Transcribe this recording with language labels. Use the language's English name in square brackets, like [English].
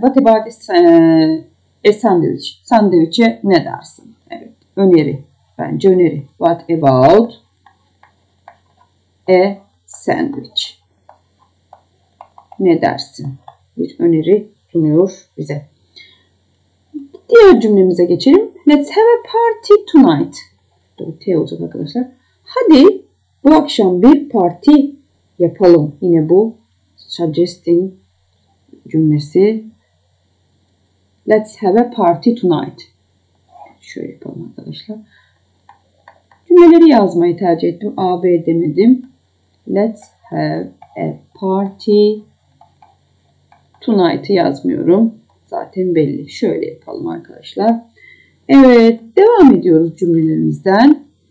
[English] What about a sandwich? [Turkish] Sandviçe ne dersin? Evet, öneri. Bence öneri. [English] What about a sandwich? [Turkish] Ne dersin? Bir öneri sunuyor bize. Diğer cümlemize geçelim. [English] Let's have a party tonight. [Turkish] Doğru T olacak arkadaşlar. Hadi bu akşam bir parti yapalım. Yine bu suggesting cümlesi. [English] Let's have a party tonight. [Turkish] Şöyle yapalım arkadaşlar. Cümleleri yazmayı tercih ettim. A, B demedim. [English] Let's have a party tonight'ı [Turkish] yazmıyorum. Zaten belli. Şöyle yapalım arkadaşlar. Evet, devam ediyoruz cümlelerimizden.